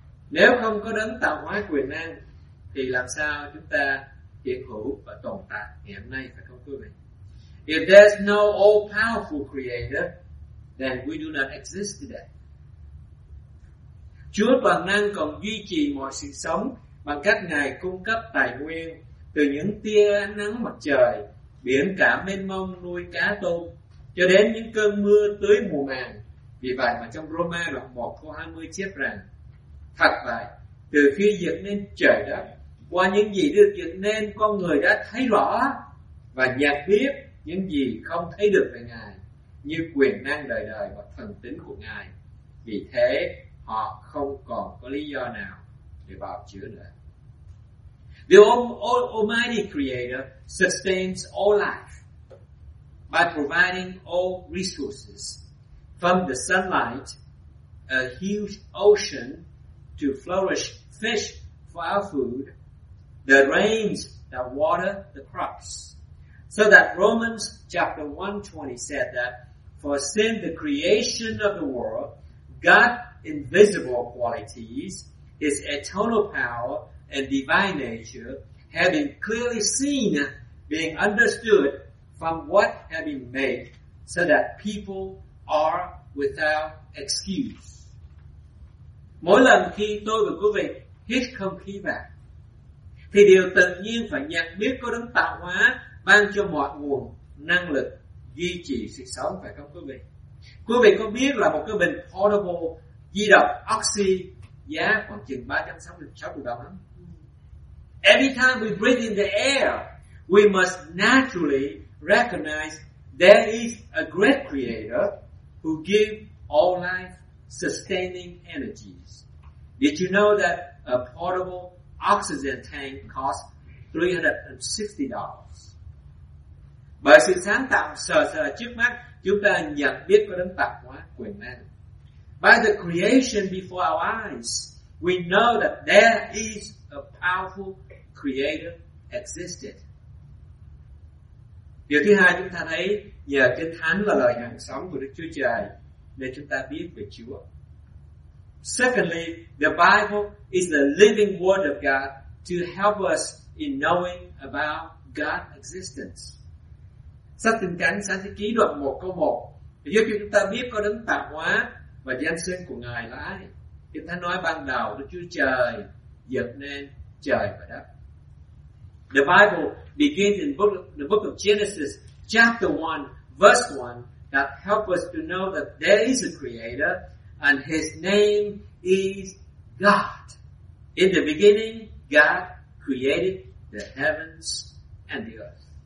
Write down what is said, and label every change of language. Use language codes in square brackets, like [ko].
[vi] Nếu không có đấng tạo hóa quyền năng, thì làm sao chúng ta hiện hữu và tồn tại ngày hôm nay, phải không quý vị? [en] If there's no all-powerful creator, then we do not exist today. [vi] Chúa toàn năng còn duy trì mọi sự sống bằng cách Ngài cung cấp tài nguyên từ những tia nắng mặt trời, biển cả mênh mông nuôi cá tôm, cho đến những cơn mưa tưới mùa màng. Vì vậy mà trong Roma đoạn 1 câu 20 chép rằng: thật vậy, từ khi dựng nên trời đất, qua những gì được dựng nên, con người đã thấy rõ và nhận biết những gì không thấy được về Ngài, như quyền năng đời đời và thần tính của Ngài. Vì thế họ không còn có lý do nào để bào chữa nữa. [en] The Almighty Creator sustains all life by providing all resources, from the sunlight, a huge ocean to flourish fish for our food, the rains that water the crops. So that Romans chapter 1:20 said that for since the creation of the world, God's invisible qualities, his eternal power and divine nature, have been clearly seen, being understood from what have been made, so that people are without excuse. [vi] Mỗi lần khi tôi và quý vị hít không khí vào, thì điều tự nhiên phải nhận biết có đấng tạo hóa ban cho mọi nguồn năng lực duy trì sự sống, phải không quý vị? Quý vị có biết là một cái bình portable di động oxy giá khoảng chừng 366 triệu đồng không? [en] Every time we breathe in the air, we must naturally recognize there is a great creator who give all life sustaining energies. Did you know that a portable oxygen tank costs $360? [vi] Bởi sự sáng tạo sờ sờ trước mắt, chúng ta nhận biết có đấng tạo hóa quyền năng. [en] By the creation before our eyes, we know that there is a powerful creator existed. [vi] Điều thứ hai chúng ta thấy nhờ Kinh Thánh là lời hằng sống của Đức Chúa Trời để chúng ta biết về Chúa. [en] Secondly, the Bible is the living word of God to help us in knowing about God's existence. [vi] Sách Tin Cánh, Sáng Thế Ký đoạn 1 câu 1 giúp chúng ta biết có đấng tạo hóa và danh xưng của Ngài là ai. Kinh Thánh nói ban đầu Đức Chúa Trời dựng nên trời và đất. [en] The Bible begins in the book of Genesis, chapter 1, verse 1, that helps us to know that there is a creator and his name is God. In the beginning, God created the heavens and the earth.